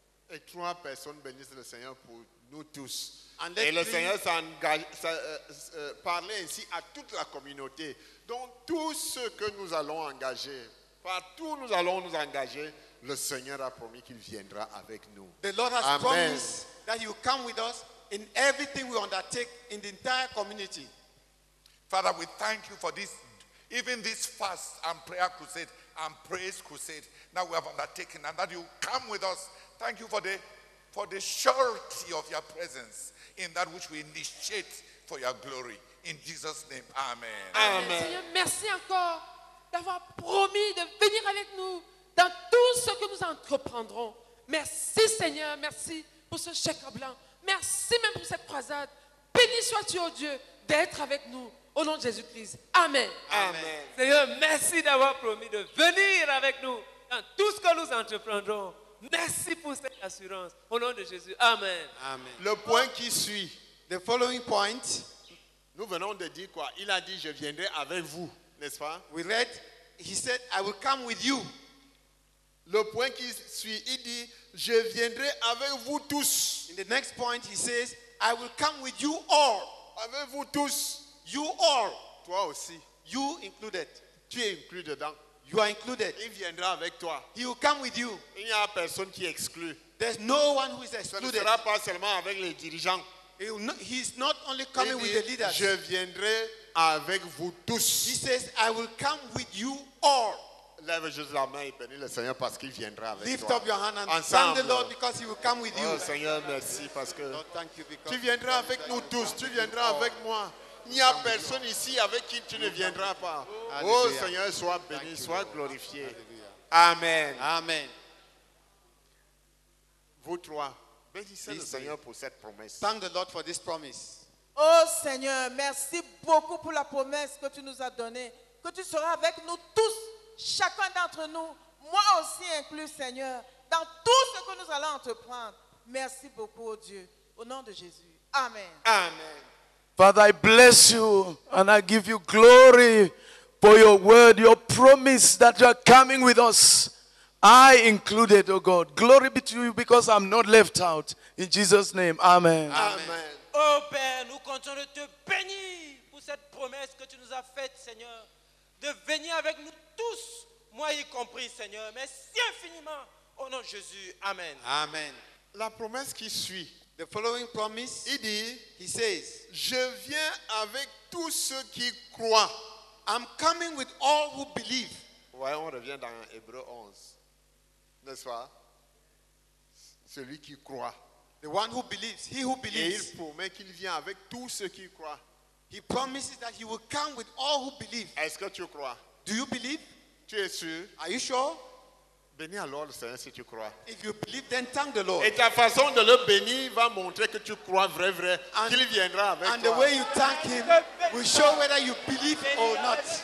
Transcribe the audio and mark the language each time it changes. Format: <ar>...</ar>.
<fr>Et trois personnes bénissent le Seigneur pour nous tous.</fr> <en>And</en> <fr>et le Seigneur s'engage, parlait ainsi à toute la communauté. Donc tout ce que nous allons engager, partout nous allons nous engager, le Seigneur a promis qu'il viendra avec nous.</fr> <en>The Lord has promised that he will come with us in everything we undertake in the entire community. Father, we thank you for this, even this fast and prayer crusade and praise crusade that we have undertaken, and that you come with us. Thank you for the surety of your presence in that which we initiate for your glory. In Jesus' name, amen. Amen.</en> <fr>Seigneur, merci encore d'avoir promis de venir avec nous dans tout ce que nous entreprendrons. Merci Seigneur, merci pour ce chèque blanc. Merci même pour cette croisade. Béni sois-tu, oh Dieu, d'être avec nous. Au nom de Jésus-Christ. Amen. Amen. Seigneur, merci d'avoir promis de venir avec nous dans tout ce que nous entreprendrons. Merci pour cette assurance. Au nom de Jésus. Amen. Amen. Le point qui suit.</fr> <en>The following point.</en> <fr>Nous venons de dire quoi? Il a dit, je viendrai avec vous. N'est-ce pas?</fr> <en>We read, he said, I will come with you.</en> <fr>Le point qui suit, il dit, je viendrai avec vous tous.</fr> <en>In the next point, he says, I will come with you all.</en> <fr>Avec vous tous.</fr> <en>You all.</en> <fr>Toi aussi.</fr> <en>You included.</en> <fr>Tu es inclus dedans.</fr> <en>You are included.</en> <fr>Il viendra avec toi.</fr> <en>He will come with you.</en> <fr>Il n'y a personne qui exclut.</fr> <en>There's no one who is excluded.</en> <fr>Ce ne sera pas seulement avec les dirigeants.</fr> <en>He is not only coming with the leaders.</en> <fr>Je viendrai avec vous tous.</fr> <en>He says, I will come with you all.</en> <fr>Lève juste la main et bénis le Seigneur parce qu'il viendra avec</fr> <en>lift</en> <fr>toi.</fr> <en>Lift up your hand and thank the Lord because he will come with you.</en> <fr>Oh Seigneur, merci parce que</fr> <en>Lord, thank you because</en> <fr>tu viendras avec nous tous. Tu viendras avec moi. Il n'y a personne ici avec qui tu ne viendras pas. Oh Seigneur, sois béni, sois glorifié. Amen. Amen. Vous trois, bénissez le Seigneur pour cette promesse.</fr> <en>Thank the Lord for this promise.</en> <fr>Oh Seigneur, merci beaucoup pour la promesse que tu nous as donnée, que tu seras avec nous tous, chacun d'entre nous, moi aussi inclus Seigneur, dans tout ce que nous allons entreprendre. Merci beaucoup, oh Dieu, au nom de Jésus. Amen. Amen.</fr> <en>Father, I bless you and I give you glory for your word, your promise that you are coming with us. I included, oh God. Glory be to you because I'm not left out. In Jesus' name, amen. Amen.</en> <fr>Oh Père, nous comptons de te bénir pour cette promesse que tu nous as faite, Seigneur, de venir avec nous tous, moi y compris, Seigneur. Merci infiniment. Au nom de Jésus, amen. Amen. La promesse qui suit.</fr> <en>The following promise,</en> <fr>il dit,</fr> <en>he says,</en> <fr>je viens avec tous ceux qui croient.</fr> <en>I'm coming with all who believe.</en> <fr>Ouais, on revient dans Hébreux 11. N'est-ce pas? Celui qui croit.</fr> <en>The one who believes. He who believes.</en> <fr>Et il promet qu'il vient avec tous ceux qui croient.</fr> <en>He promises that he will come with all who believe.</en> <fr>Est-ce que tu crois?</fr> <en>Do you believe?</en> <fr>Tu es sûr?</fr> <en>Are you sure?</en> <fr>Bénis alors le Seigneur si tu crois.</fr> <en>If you believe, then thank the Lord.</en> <fr>Et ta façon de le bénir va montrer que tu crois vrai,</fr> <en>and,</en> <fr>qu'il viendra avec</fr> <en>and</en> <fr>toi.</fr> <en>And the way you thank him will show whether you believe or not.</en>